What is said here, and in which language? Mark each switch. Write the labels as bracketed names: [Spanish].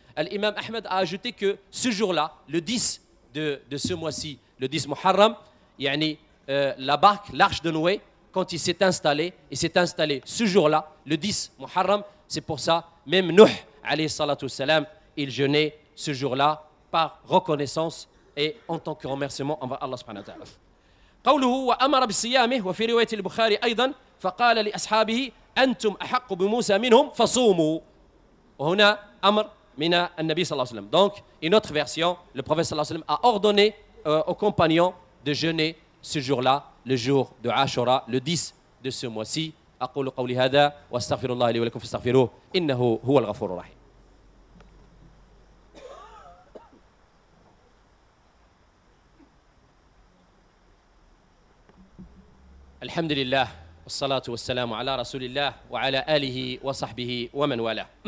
[French] L'imam Ahmed a ajouté que ce jour-là, le 10 de ce mois-ci, le 10 Muharram, yani, la barque, l'arche de Noé, quand il s'est installé, et s'est installé ce jour-là, le 10 Muharram, c'est pour ça, même Nuh, alayhi salatu salam, il jeûnait ce jour-là par reconnaissance et en tant que remerciement envers Allah subhanahu wa ta'ala. [Arabic] Qawluhu wa amara bisiyamih wa fi riwayat al-Bukhari aydan, faqala li ashabihi أنتم أحق بموسى منهم فصوموا. وهنا أمر من النبي صلى الله عليه وسلم. [French] Donc, une autre version, le prophète صلى الله عليه وسلم a ordonné aux compagnons de jeûner ce jour-là, le jour de عاشوراء, le 10 de ce mois-ci. [Arabic] أقول قولي هذا واستغفر الله لي ولكم فاستغفروه إنه هو الغفور الرحيم. الحمد لله. والصلاة والسلام على رسول الله وعلى آله وصحبه ومن والاه.